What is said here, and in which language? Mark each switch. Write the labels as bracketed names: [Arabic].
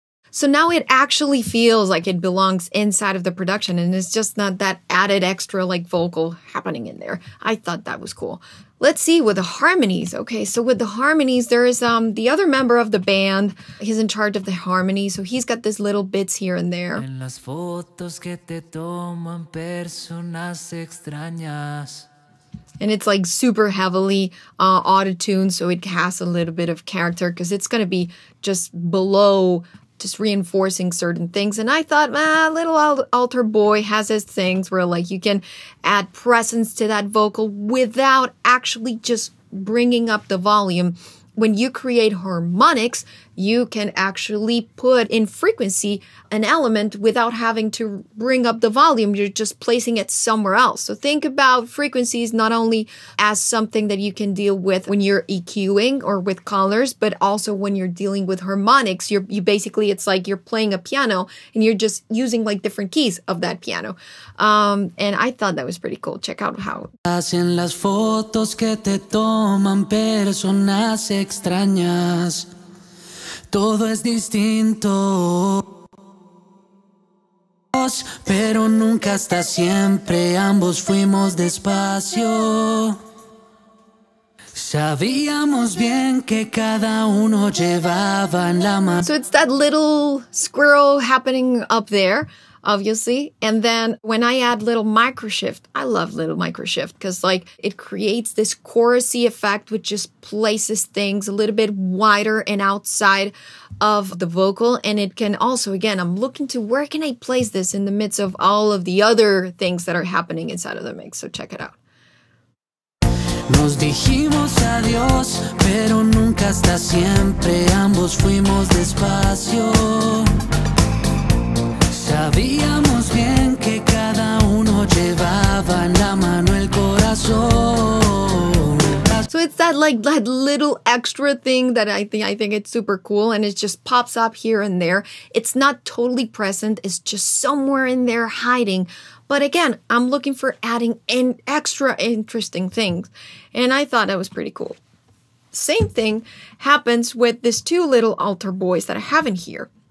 [English] So So now it actually feels like it belongs inside of the production, and it's just not that added extra like vocal happening in there. I thought that was cool. Let's see with the harmonies. Okay, so with the harmonies, there is the other member of the band. He's in charge of the harmony, so he's got these little bits here and there. [Spanish] En las fotos que te toman personas extrañas. [English] And it's like super heavily auto-tuned, so it has a little bit of character because it's going to be just below, just reinforcing certain things. And I thought, little altar boy has his things where like you can add presence to that vocal without actually just bringing up the volume. When you create harmonics, you can actually put in frequency an element without having to bring up the volume. You're just placing it somewhere else. So think about frequencies not only as something that you can deal with when you're EQing or with colors, but also when you're dealing with harmonics. You basically, it's like you're playing a piano and you're just using like different keys of that piano. And I thought that was pretty cool. Check out how. [Spanish] En las fotos que te toman personas extrañas. Todo es distinto, pero nunca hasta siempre ambos fuimos despacio. Sabíamos bien que cada uno llevaba en la mano. [English] So it's that little squirrel happening up there, obviously. And then when I add little micro shift, I love little micro shift because like it creates this chorusy effect, which just places things a little bit wider and outside of the vocal. And it can also, again, I'm looking to where can I place this in the midst of all of the other things that are happening inside of the mix. So check it out. [Spanish] Nos dijimos adiós, pero nunca hasta siempre ambos fuimos despacio. Sabíamos bien que cada uno llevaba en la mano el corazón. [English] So it's that like that little extra thing that I think it's super cool, and it just pops up here and there. It's not totally present, it's just somewhere in there hiding. But again, I'm looking for adding an extra interesting things. And I thought that was pretty cool. Same thing happens with these two little altar boys that I have in here.